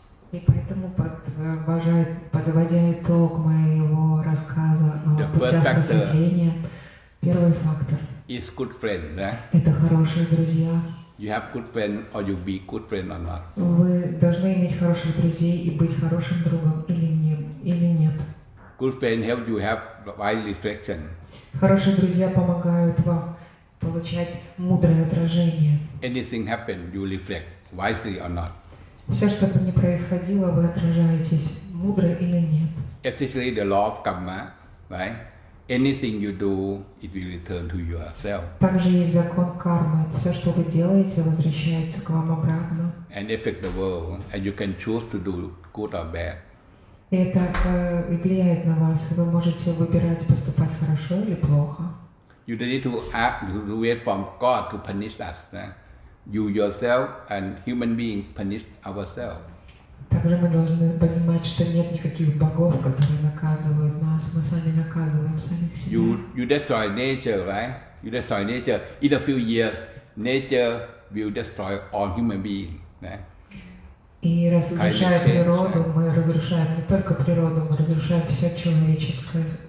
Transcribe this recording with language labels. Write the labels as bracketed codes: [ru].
[ru] И поэтому подводя итог моего рассказа о путях просветления, первый фактор [en] is good friend, [ru] это хорошие друзья. [en] You have good friend or you be good friend or not. [ru] Вы должны иметь хороших друзей и быть хорошим другом или нет. [en] Good friend help you have wise reflection. [ru] Хорошие друзья помогают вам получать мудрое отражение. [en] Anything happen, you reflect wisely or not. [ru] Все, что бы ни происходило, вы отражаетесь, мудро или нет. [en] Especially the law of karma, right? Anything you do, it will return to yourself. [ru] Также есть закон кармы. Все, что вы делаете, возвращается к вам обратно. [en] And affect the world, and you can choose to do good or bad. [ru] И это влияет на вас, и вы можете выбирать поступать хорошо или плохо. [en] You don't need to wait from God to punish us, You yourself and human beings punish ourselves. [ru] Также мы должны понимать, что нет никаких богов, которые наказывают нас. Мы сами наказываем самих себя. [en] You destroy nature, right? You destroy nature. In a few years, nature will destroy all human beings. [ru] И разрушая природу, мы разрушаем не только природу, мы разрушаем все человечество.